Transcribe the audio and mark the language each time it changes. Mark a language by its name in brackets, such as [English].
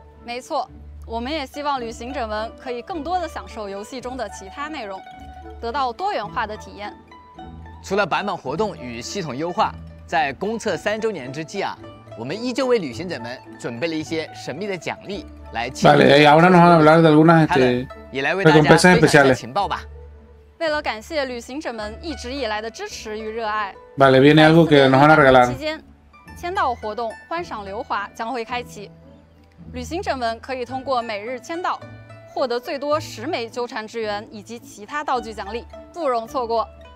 [Chinese] 没错，我们也希望旅行者们可以更多的享受游戏中的其他内容，得到多元化的体验。除了版本活动与系统优化，在公测三周年之际啊，我们依旧为旅行者们准备了一些神秘的奖励来庆祝。 [Spanish] Vale, ahora nos van a hablar de algunas recompensas especiales. [Chinese] 情报吧。为了感谢旅行者们一直以来的支持与热爱。 [Spanish] Vale, viene algo que nos van a regalar. [Chinese] 期间，签到活动“观赏流华”将会开启。旅行者们可以通过每日签到，获得最多10枚纠缠之源以及其他道具奖励，不容错过。